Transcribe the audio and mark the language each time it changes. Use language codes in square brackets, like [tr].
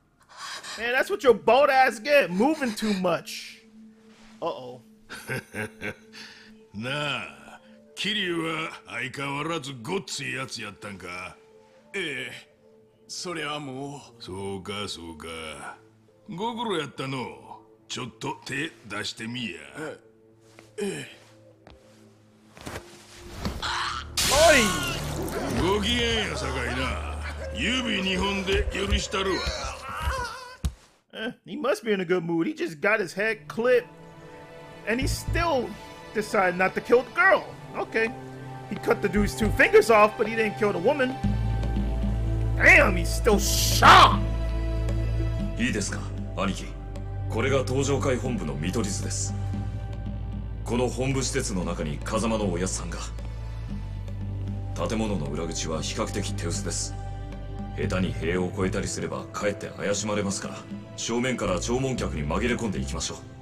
[en] Oh, man, that's what your bald ass get, moving too much. Uh-oh. [ja] なあ、キリュウは相変わらずごっついやつやったんか。ええ、それはもう。そうか、そうか。ご苦労やったの。ちょっと手出してみや。おい、ご機嫌やさかいな。指二本で許したるわ。 [en] He must be in a good mood. He just got his head clipped. And he still decided not to kill the girl. Okay. He cut the dude's two fingers off, but he didn't kill the woman. Damn, he's still sharp! [ja] いいですか兄貴、これが登場会本部の見取り図です。この本部施設の中に風間のおやつさんが。建物の裏口は比較的手薄です。下手に塀を越えたりすればかえって怪しまれますから、正面から弔問客に紛れ込んでいきましょう。